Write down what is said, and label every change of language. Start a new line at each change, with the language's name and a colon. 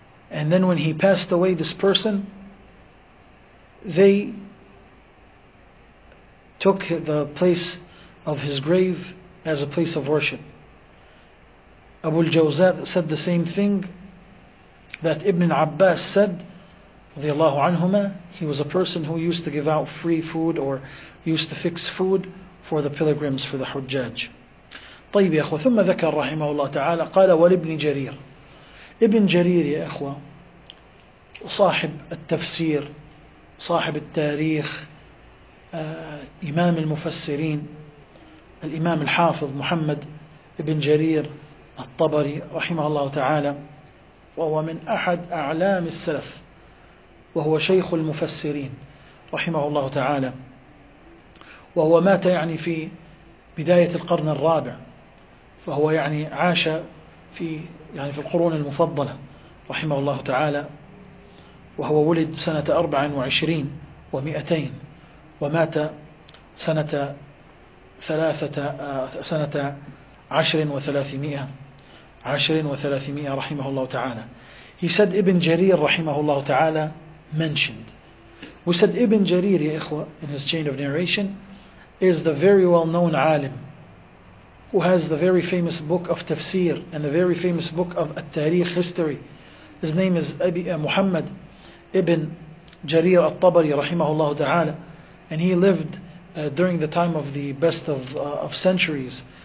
English: And then when he passed away, this person, they took the place of his grave as a place of worship. Abu al-Jawza said the same thing that Ibn Abbas said, رضي الله عنهما. He was a person who used to give out free food or used to fix food for the pilgrims, for the حجاج.
Arabic: طيب يا أخوة, ثم ذكر رحمه الله تعالى قال ولابن جرير. ابن جرير يا أخوة صاحب التفسير, صاحب التاريخ, إمام المفسرين, الإمام الحافظ محمد ابن جرير الطبري رحمه الله تعالى, وهو من أحد أعلام السلف, وهو شيخ المفسرين رحمه الله تعالى, وهو مات يعني في بداية القرن الرابع, فهو يعني عاش في يعني في القرون المفضلة رحمه الله تعالى, وهو ولد سنة 24 و200 ومات سنة 10 و300 رحمه الله تعالى.
English: He said Ibn Jarir رحمه الله تعالى mentioned. We said Ibn Jarir,
Arabic: يا إخوة,
English: in his chain of narration, is the very well-known alim who has the very famous book of tafsir and the very famous book of at-tariq, history. His name is Muhammad Ibn Jarir al-Tabari رحمه الله تعالى, and he lived during the time of the best of centuries.